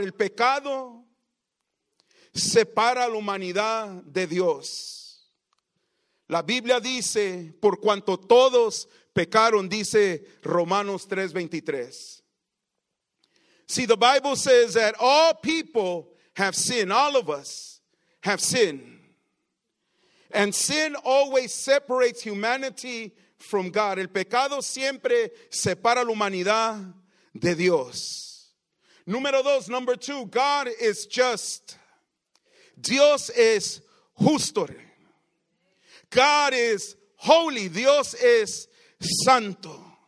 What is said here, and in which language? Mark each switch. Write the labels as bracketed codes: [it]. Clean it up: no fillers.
[es] El pecado separa a la humanidad de Dios. La Biblia dice, por cuanto todos pecaron, dice Romanos 3:23. [en] See, the Bible says that all people have sinned. All of us have sinned. And sin always separates humanity from God. [es] El pecado siempre separa la humanidad de Dios. Número dos, [en] number two, God is just. [es] Dios es justo. [en] God is holy. [es] Dios es santo.